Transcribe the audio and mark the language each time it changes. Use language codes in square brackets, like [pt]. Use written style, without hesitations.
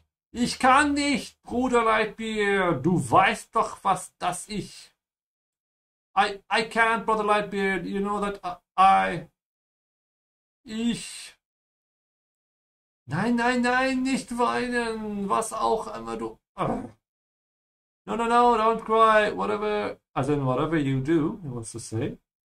[de] Ich kann nicht, Bruder Lightbeard. Du weißt doch, was das ich... [en] I can't, Brother Lightbeard, you know that ich... [de] Nein, nein, nein, nicht weinen, was auch immer du... [en] No, no, no, don't cry. Whatever, as in whatever you do, he wants to say.